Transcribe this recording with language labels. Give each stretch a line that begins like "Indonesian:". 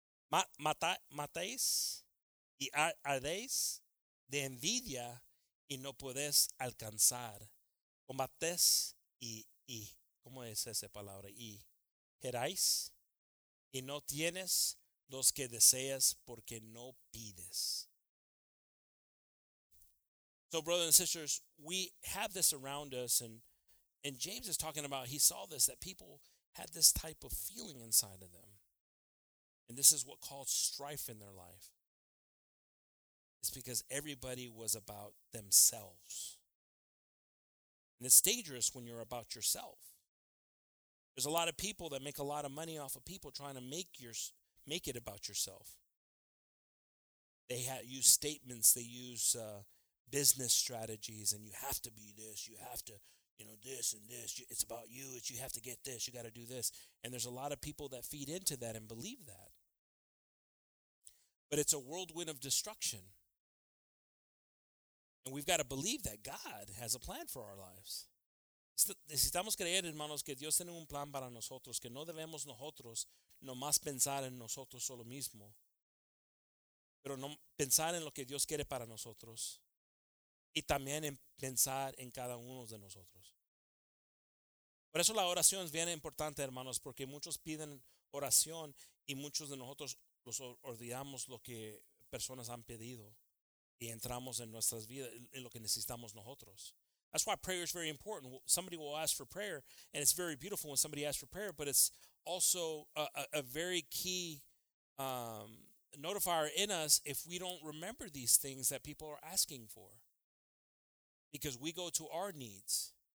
Spanish: Matáis y ardéis de envidia y no podés alcanzar. Combates y ¿cómo es esa palabra? Y geráis y no tienes los que deseas porque no pides.
English: So, brothers and sisters, we have this around us, and James is talking about, he saw this, that people had this type of feeling inside of them. And this is what caused strife in their life. It's because everybody was about themselves. And it's dangerous when you're about yourself. There's a lot of people that make a lot of money off of people trying to make it about yourself. They use statements, they use business strategies, and you have to be this, you have to, you know, this and this. It's about you, it's you have to get this, you got to do this. And there's a lot of people that feed into that and believe that. But it's a whirlwind of destruction. And we've got to believe that God has a plan for our lives.
Spanish: Necesitamos creer, hermanos, que Dios tiene un plan para nosotros, que no debemos nosotros nomás pensar en nosotros solo mismo, pero no pensar en lo que Dios quiere para nosotros y también en pensar en cada uno de nosotros. Por eso la oración es bien importante, hermanos, porque muchos piden oración y muchos de nosotros los olvidamos lo que personas han pedido y entramos en nuestras vidas, en lo que necesitamos nosotros.
English: That's why prayer is very important. Somebody will ask for prayer, and it's very beautiful when somebody asks for prayer, but it's also a very key notifier in us if we don't remember these things that people are asking for, because we go to our needs.